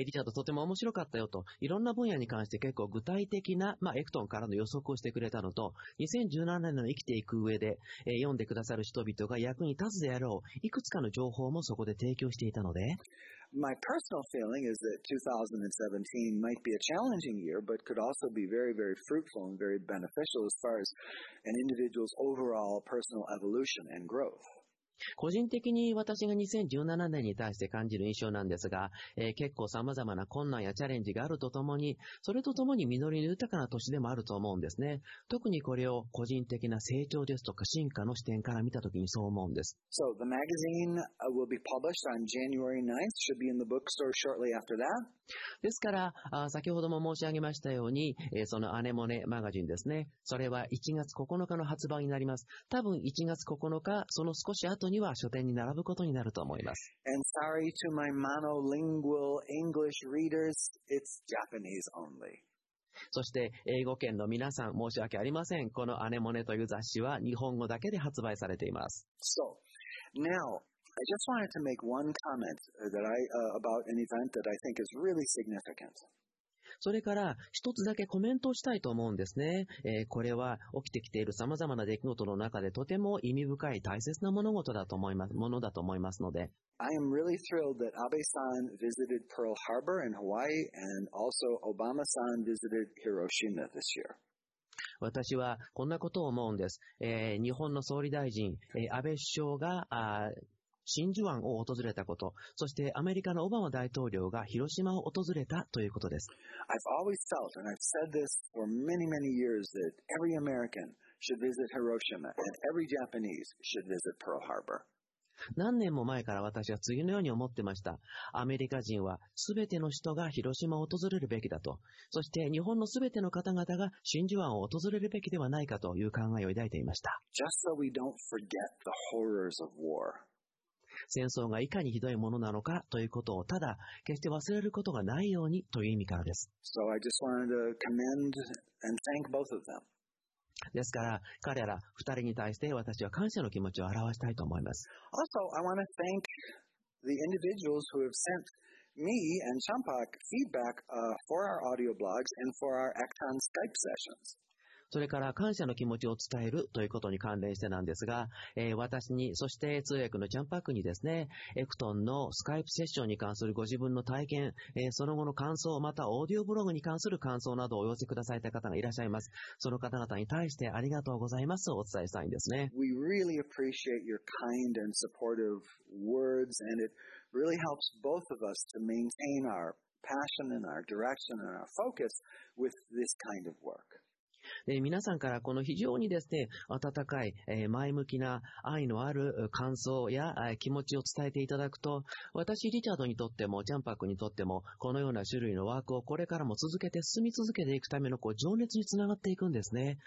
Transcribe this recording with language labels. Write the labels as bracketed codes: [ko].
[ja] はい、リチャードとても面白かったよと、いろんな分野に関して結構具体的な、まあ、エクトンからの予測をしてくれたのと、2017年の生きていく上で、読んでくださる人々が役に立つであろういくつかの情報もそこで提供していたので、 [en] My personal feeling is that 2017 might be a challenging year but could also be very very fruitful and very beneficial as far as an individual's overall personal evolution and growth. [ja] 個人的に私が2017年に対して感じる印象なんですが、結構さまざまな困難やチャレンジがあるとともに、それとともに実りの豊かな年でもあると思うんですね。特にこれを個人的な成長ですとか進化の視点から見たときにそう思うんです。 [en] So the magazine will be published on January 9th. Should be in the bookstore shortly after that. [ja] ですから、先ほども申し上げましたように、そのアネモネマガジンですね。それは1月9日の発売になります。多分1月9日、その少し後後には書店に並ぶことになると思います。 [en] And sorry to my monolingual English readers, it's Japanese only. [ja] そして英語圏の皆さん、申し訳ありません。このアネモネという雑誌は日本語だけで発売されています。 [en] So, now, I just wanted to make one comment that I, about an event that I think is really significant. [ja] それから一つだけコメントをしたいと思うんですね、これは起きてきているさまざまな出来事の中でとても意味深い大切な物事だと思います、ものだと思いますので、 [en] I am really thrilled that Abe-san visited Pearl Harbor in Hawaii and also Obama-san visited Hiroshima this year. [ja] 私はこんなことを思うんです、日本の総理大臣、安倍首相が真珠湾を訪れたこと、そしてアメリカのオバマ大統領が広島を訪れたということです。 [en] I've always felt and I've said this for many many years that every American should visit Hiroshima and every Japanese should visit Pearl Harbor。 [ja] 何年も前から私は次のように思ってました。アメリカ人は全ての人が広島を訪れるべきだと、そして日本の全ての方々が真珠湾を訪れるべきではないかという考えを抱いていました。 [en] Just so we don't forget the horrors of war。 [ja] 戦争がいかにひどいものなのかということをただ決して忘れることがないようにという意味からです。 [en] So I just wanted to commend and thank both of them. [ja] ですから彼ら二人に対して私は感謝の気持ちを表したいと思います。 [en] Also, I want to thank the individuals who have sent me and Champak feedback for our audio blogs and for our Ecton Skype sessions. [ja] それから感謝の気持ちを伝えるということに関連してなんですが、私に、そして通訳のチャンパックにですね、エクトンのスカイプセッションに関するご自分の体験、その後の感想、またオーディオブログに関する感想などをお寄せくださいた方がいらっしゃいます。その方々に対してありがとうございますをお伝えしたいんですね。 [en] We really appreciate your kind and supportive words and it really helps both of us to maintain our passion and our direction and our focus with this kind of work. [ja] で皆さんからこの非常にですね、温かい、前向きな愛のある感想や、気持ちを伝えていただくと、私リチャードにとってもジャンパックにとってもこのような種類のワークをこれからも続けて進み続けていくためのこう情熱につながっていくんですね。